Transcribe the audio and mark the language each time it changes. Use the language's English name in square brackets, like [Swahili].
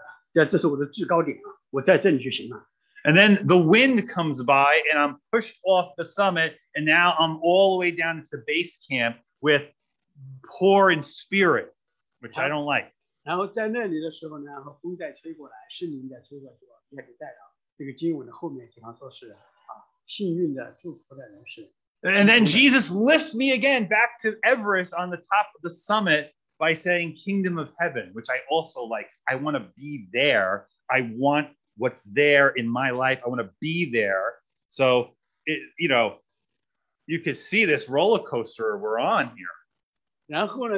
[Chinese] 有祝福了，然后我们就很高兴，我们就看见，哦，耶稣，这就是荣耀的，我呢就在这里，我再不要其他的，这是我的至高点了，我在这里就行了。 [English] And then the wind comes by, and I'm pushed off the summit, and now I'm all the way down to base camp with poor in spirit, which I don't like. [Chinese] 然后在那里的时候呢，风在吹过来，是您在吹过来，这个经文的后面，比方说是啊，幸运的，祝福的人是。 [English] And then Jesus lifts me again back to Everest on the top of the summit by saying, Kingdom of Heaven, which I also like. I want to be there. I want what's there in my life. I want to be there. So, it, you know, you could see this roller coaster we're on here.